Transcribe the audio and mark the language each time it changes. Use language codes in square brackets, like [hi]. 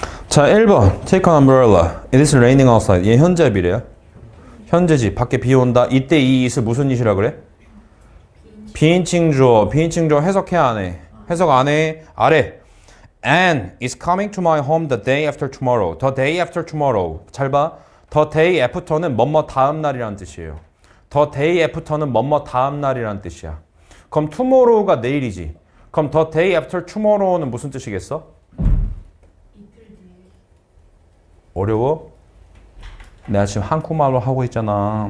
[ko] 자, 1번. [en] Take an umbrella. It is raining outside. [ko] 얘 현재 미래야? 현재지. 밖에 비 온다. 이때 이 it을 무슨 it이라 그래? 비인칭 주어. 비인칭 주어 해석해 안 해? 해석 안 해? 아래. [en] Anne is coming to my home the day after tomorrow. The day after tomorrow. [ko] 잘 봐. [en] The day after [ko] 는 뭐뭐 다음 날이란 뜻이에요. The day after는 뭐뭐 다음 날이란 뜻이야. 그럼 tomorrow가 내일이지. 그럼 [en] the day after tomorrow [ko] 는 무슨 뜻이겠어? 어려워? 내가 지금 한국말로 하고 있잖아.